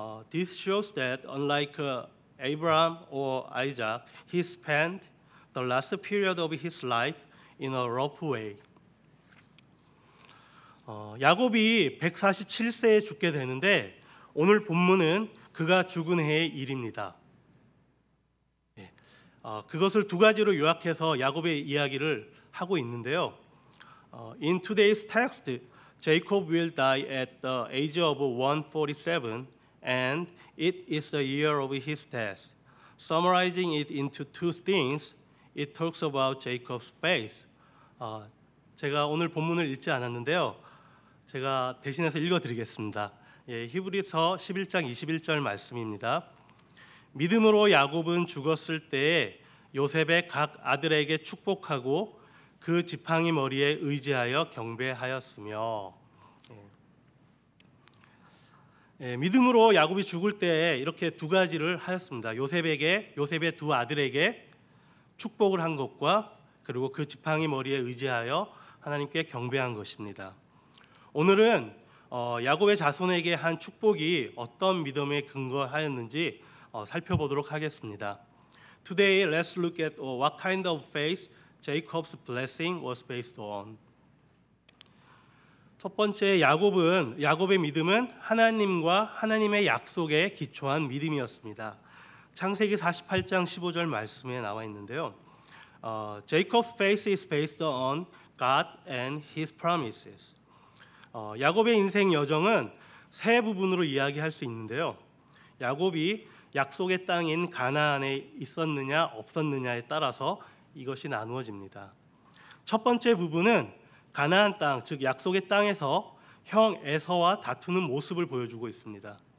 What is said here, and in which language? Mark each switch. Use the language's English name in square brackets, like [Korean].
[English] This shows that unlike Abraham or Isaac, he spent the last period of his life in a rough way. [Korean] 야곱이 147세에 죽게 되는데 오늘 본문은 그가 죽은 해의 일입니다. 그것을 두 가지로 요약해서 야곱의 이야기를 하고 있는데요. [English] In today's text, Jacob will die at the age of 147, and it is the year of his death. Summarizing it into two things, it talks about Jacob's faith. [Korean] 제가 오늘 본문을 읽지 않았는데요. 제가 대신해서 읽어드리겠습니다. 예, 히브리서 11장 21절 말씀입니다. 믿음으로 야곱은 죽었을 때에 요셉의 각 아들에게 축복하고 그 지팡이 머리에 의지하여 경배하였으며, 예, 믿음으로 야곱이 죽을 때에 이렇게 두 가지를 하였습니다. 요셉의 두 아들에게 축복을 한 것과 그리고 그 지팡이 머리에 의지하여 하나님께 경배한 것입니다. 오늘은 야곱의 자손에게 한 축복이 어떤 믿음에 근거하였는지 살펴보도록 하겠습니다. [English] Today, let's look at what kind of faith Jacob's blessing was based on. [Korean] 첫 번째, 야곱의 믿음은 하나님과 하나님의 약속에 기초한 믿음이었습니다. 창세기 48장 15절 말씀에 나와 있는데요. [English] Jacob's faith is based on God and his promises. [Korean] 야곱의 인생 여정은 세 부분으로 이야기할 수 있는데요. 야곱이 약속의 땅인 가나안에 있었느냐 없었느냐에 따라서 이것이 나누어집니다. 첫 번째 부분은 가나안 땅, 즉 약속의 땅에서 형 에서와 다투는 모습을 보여주고 있습니다.